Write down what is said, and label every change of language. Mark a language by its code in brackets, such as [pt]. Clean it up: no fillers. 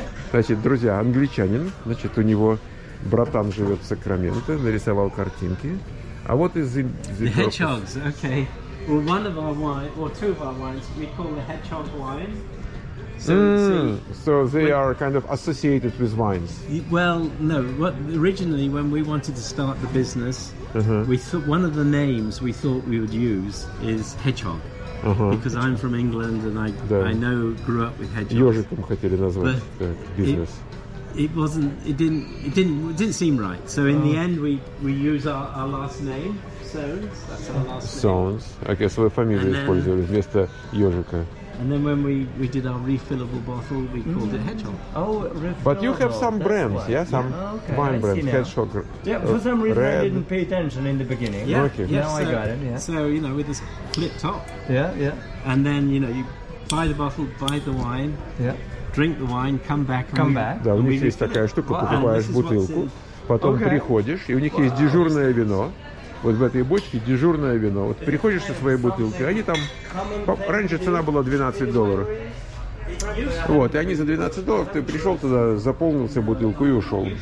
[ru] Значит, друзья, англичанин, значит, у него братан живет в Сакраменто, нарисовал картинки. А вот из [en] the hedgehogs, okay. Well, one of our wine, or two of our wines, we call the hedgehog wine. So they are kind of associated with wines. Well, no. What originally, when we wanted to start the business, uh-huh. we thought one of the names we thought we would use is hedgehog. Uh-huh. Because I'm from England and I grew up with hedgehogs. [ru] Ёжиком хотели назвать business. [en] It didn't seem right. So in the end, we use our last name, Sones. That's our last name. [ru] Sones. Okay, свою фамилию использовали вместо ёжика. [en] And then when we did our refillable bottle, we called it Hedgehog. Oh, refillable. But you have some brands, yeah? Some yeah. Okay. wine brands, Hedgehog. Yeah, for some reason red. I didn't pay attention in the beginning. Yeah, okay. yeah now so, I got it, yeah. So, you know, with this flip top. Yeah, yeah. And then, you know, you buy the bottle, buy the wine, yeah. drink the wine, come back. Come back. [ru] Да, у них есть такая штука, покупаешь бутылку, потом приходишь, и у них есть дежурное вино. Вот в этой бочке дежурное вино. Вот приходишь со своей бутылкой, они там... Раньше цена была $12. Вот, и они за $12, ты пришел туда, заполнился бутылку и ушел.